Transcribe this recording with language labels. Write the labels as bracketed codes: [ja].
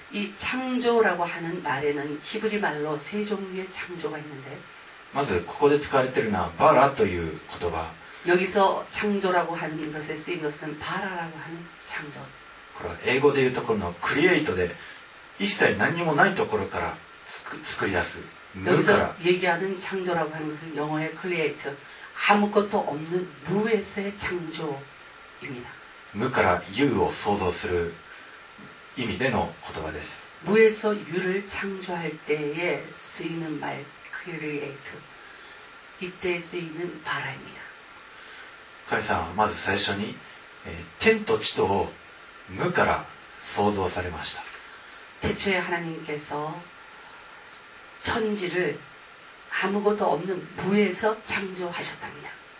[ko] 이창조라고하는말에는히브리말로세종류의창조가있는데、 [ja] まず、ここで使われているのは、バラという言葉。 [ko] 여기서창조라고하는것에쓰인것은바라라고하는창조。 [ja] これは英語で言うところのクリエイトで、一切何にもないところから作り出す。 [ko] 여기서얘기하는창조라고하는것은영어의 create 아무것도없는무에서의창조입니다 [ja] 무から유を創造する意味での言葉です [ko] 무에서유를창조할때에쓰이는말 create 이때쓰이는바라입니다 [ja] カイさんはまず最初に天と地とを無から創造されました [ko] 태초에하나님께서천지를아무것도없는무에서창조하셨답니다